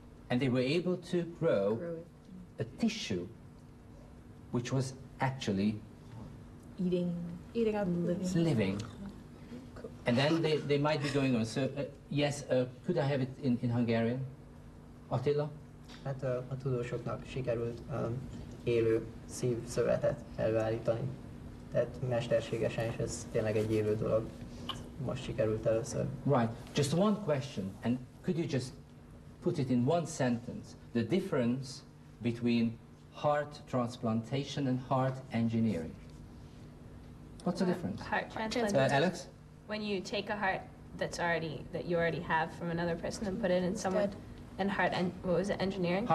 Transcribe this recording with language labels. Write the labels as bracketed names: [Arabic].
[English] And they were able to grow a tissue which was actually eating up living. And then they might be going on. So, could I have it in Hungarian? Attila? [Hungarian] Hát a tudósoknak sikerült élő szívszövetet előállítani. Tehát mesterségesen is ez tényleg egy élő dolog. Most sikerült először. [English] Right. Just one question. And could you just put it in one sentence? The difference between heart transplantation and heart engineering. What's the difference? Heart transplantation. Alex? When you take a heart that you already have from another person and put it in someone, and engineering?